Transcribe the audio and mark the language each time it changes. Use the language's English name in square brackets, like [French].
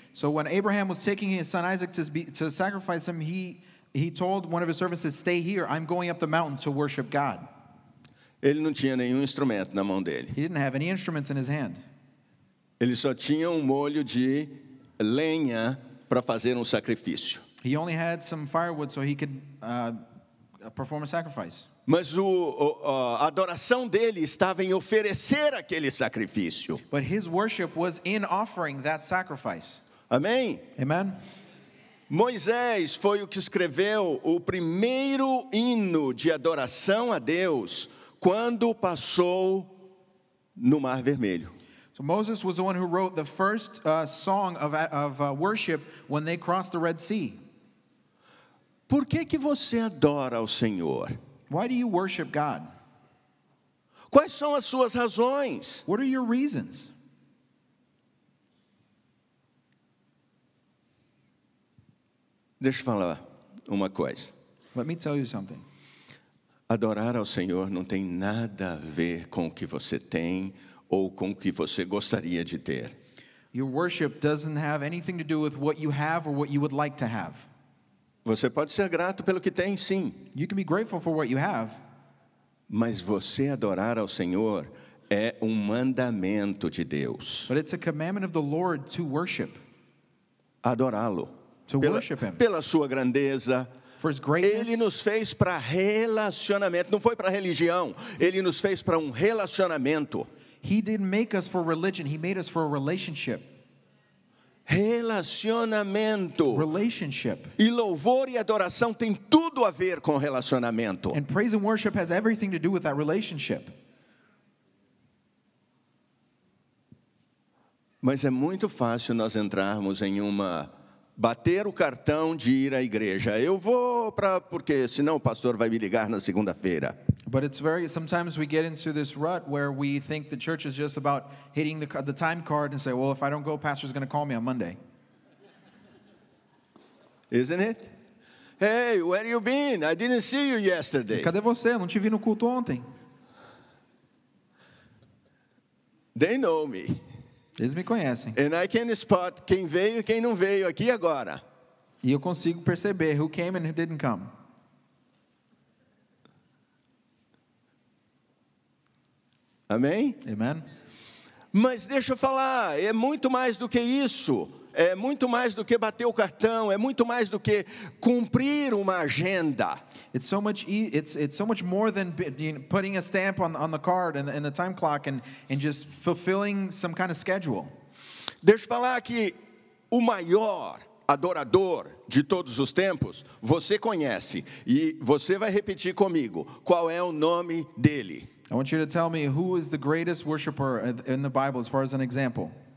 [English] So when Abraham was taking his son Isaac to sacrifice him, he told one of his servants, stay here, I'm going up the mountain to worship God. [Portuguese] Ele não tinha nenhum instrumento na mão dele. [English] He didn't have any instruments in his hand. [Portuguese] Ele só tinha molho de lenha para fazer sacrifício. [English] He only had some firewood so he could perform a sacrifice. [Portuguese] Mas a adoração dele estava em oferecer aquele sacrifício. [English] But his worship was in offering that sacrifice. [Portuguese] Amém? [English] Amen. [Portuguese] Moisés foi o que escreveu o primeiro hino de adoração a Deus quando passou no Mar Vermelho. [English] So Moses was the one who wrote the first song of worship when they crossed the Red Sea. [Portuguese] Por que você adora ao Senhor? [English] Why do you worship God? [Portuguese] Quais são as suas razões? [English] What are your reasons? [Portuguese] Deixa eu falar uma coisa. [English] Let me tell you something. [Portuguese] Adorar ao Senhor não tem nada a ver com o que você tem ou com o que você gostaria de ter. [English] Your worship doesn't have anything to do with what you have or what you would like to have. [Portuguese] Você pode ser grato pelo que tem, sim. [English] You can be grateful for what you have. [Portuguese] Mas você adorar ao Senhor é mandamento de Deus. [English] But it's a commandment of the Lord to worship. [Portuguese] Adorá-lo. [English] To worship him. [Portuguese] Pela sua grandeza. [English] For his greatness. [Portuguese] Ele nos fez para relacionamento, não foi para religião. Ele nos fez para relacionamento. [English] He didn't make us for religion, he made us for a relationship. [Portuguese] Relacionamento. [English] Relationship. [Portuguese] E louvor e adoração tem tudo a ver com relacionamento. [English] And praise and worship has everything to do with that relationship. [Portuguese] Mas é muito fácil nós entrarmos em bater o cartão de ir à igreja. Eu vou porque senão o pastor vai me ligar na segunda-feira. [English] But it's very, sometimes we get into this rut where we think the church is just about hitting the time card and say, well, if I don't go, pastor's going to call me on Monday. Isn't it? Hey, where you been? I didn't see you yesterday. [Portuguese] Cadê você? Não te vi no culto ontem. [English] They know me. [Portuguese] Eles me conhecem. [English] And I can spot [Portuguese] quem veio e quem não veio aqui agora. E eu consigo perceber [English] who came and who didn't come. [Portuguese] Amém? [English] Amen. [Portuguese] Mas deixa eu falar, é muito mais do que isso. É muito mais do que bater o cartão. É muito mais do que cumprir uma agenda. [English] It's so much more than putting a stamp on the card and the time clock and just fulfilling some kind of schedule. [Portuguese] Deixa eu falar que o maior adorador de todos os tempos, você conhece. E você vai repetir comigo qual é o nome dele. [English] I want you to tell me who is the greatest worshiper in the Bible as far as an example.